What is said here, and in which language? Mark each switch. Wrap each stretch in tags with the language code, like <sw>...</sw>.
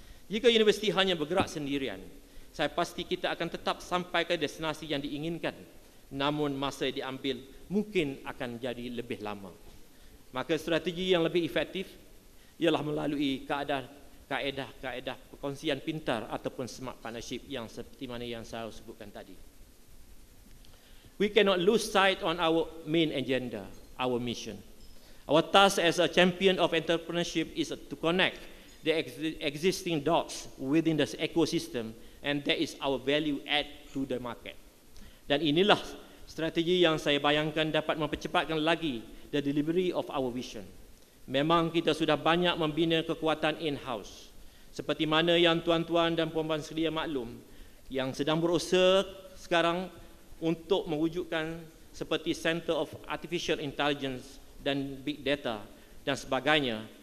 <ms>Jika universiti hanya bergerak sendirian, saya pasti kita akan tetap sampai ke destinasi yang diinginkan. Namun masa yang diambil mungkin akan jadi lebih lama. Maka strategi yang lebih efektif ialah melalui kaedah-kaedah perkongsian pintar ataupun smart partnership yang seperti mana yang saya sebutkan tadi.</ms> <en>We cannot lose sight on our main agenda, our mission. Our task as a champion of entrepreneurship is to connect the existing dots within the ecosystem and that is our value add to the market.</en> <ms>Dan inilah strategi yang saya bayangkan dapat mempercepatkan lagi</ms> <en>the delivery of our vision.</en> <ms>Memang kita sudah banyak membina kekuatan in-house. Seperti mana yang tuan-tuan dan puan-puan sekalian maklum, yang sedang berusaha sekarang untuk mewujudkan seperti Center of Artificial Intelligence dan Big Data dan sebagainya.</ms>